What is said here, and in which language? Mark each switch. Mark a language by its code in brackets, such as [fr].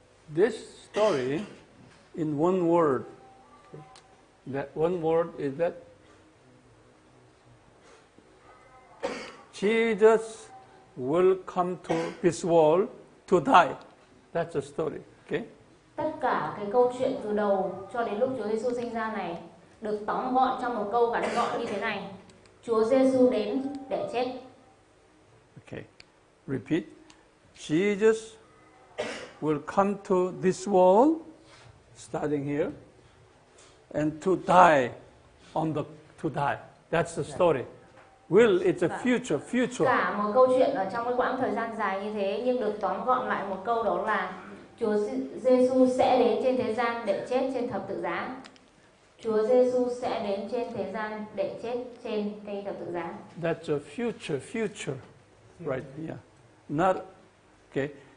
[en] This story in one word, that one word is that Jesus will come to this world to die. That's the story, okay? [vi] Tất cả cái câu chuyện từ đầu cho đến lúc Chúa Giêsu sinh ra này được tóm gọn trong một câu ngắn gọn như thế này. Chúa Giêsu đến để chết. [en] Okay. Repeat. Jesus will come to this world, starting here, and to die on the to die. That's the story. Will it's a future, future. [vi] Cả một câu chuyện ở trong cái quãng thời gian dài như thế, nhưng được tóm gọn lại một câu đó là Chúa Giêsu sẽ đến trên thế gian để chết trên thập tự giá. Chúa Giêsu sẽ đến trên thế gian để chết trên cây thập tự giá. [en] That's a future, future, right? Yeah. Not okay.